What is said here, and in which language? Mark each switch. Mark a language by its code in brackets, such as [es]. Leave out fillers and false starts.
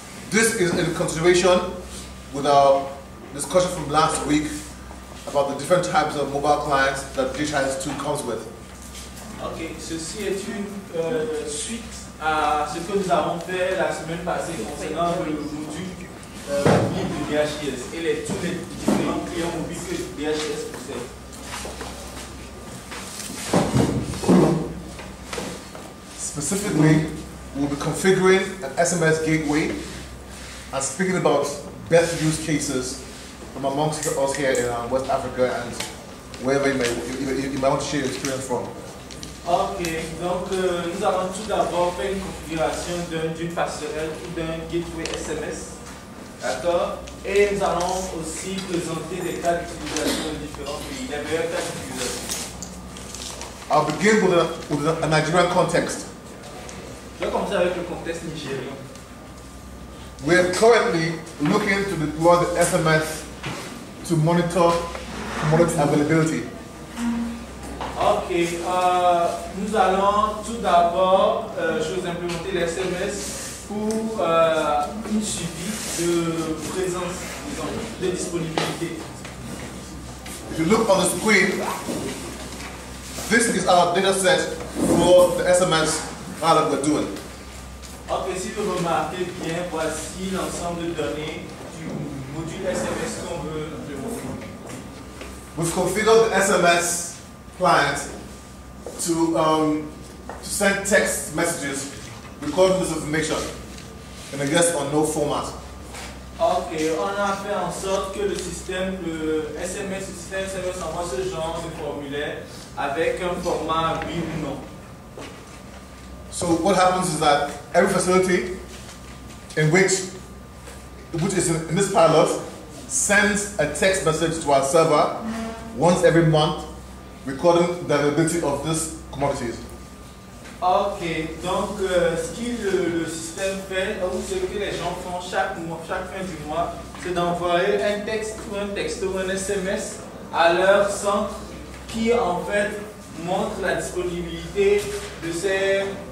[en] This is in continuation with our discussion from last week about the different types of mobile clients that DHIS 2 comes with. [fr] Okay, ceci est une suite à ce que nous avons fait la semaine passée concernant le module mobile de DHIS et les tous les différents clients mobiles que DHIS possède. [en] Specifically, we'll be configuring an SMS gateway and speaking about best use cases from amongst us here in West Africa and wherever you may want to share your experience from. [fr] Okay, donc nous avons tout d'abord fait une configuration d'une passerelle ou d'un gateway SMS, d'accord? Et nous allons aussi présenter des cas d'utilisation de différents pays, les meilleurs cas d'utilisation. [en] I'll begin with a Nigerian context. [fr] Je vais commencer avec le contexte nigérian. [en] We are currently looking to deploy the SMS to monitor commodity availability. [fr] Okay, nous allons tout d'abord implémenter les SMS pour une suivi de présence, disons, de disponibilité. [en] If you look on the screen, this is our data set for the SMS that we're doing. [fr] Ok, si vous remarquez bien, voici l'ensemble de données du module SMS qu'on veut implémenter. [en] We've configured the SMS client to send text messages recording this information in a yes or no format. [fr] Ok, on a fait en sorte que le système SMS envoie ce genre de formulaire avec un format oui ou non. [en] So what happens is that every facility in which is in this pilot sends a text message to our server once every month recording the availability of these commodities. [fr] Okay, donc ce que le système fait, ou ce que les gens font chaque fin du mois, c'est d'envoyer un texte ou un texto ou un SMS à leur centre qui en fait montre la disponibilité de ces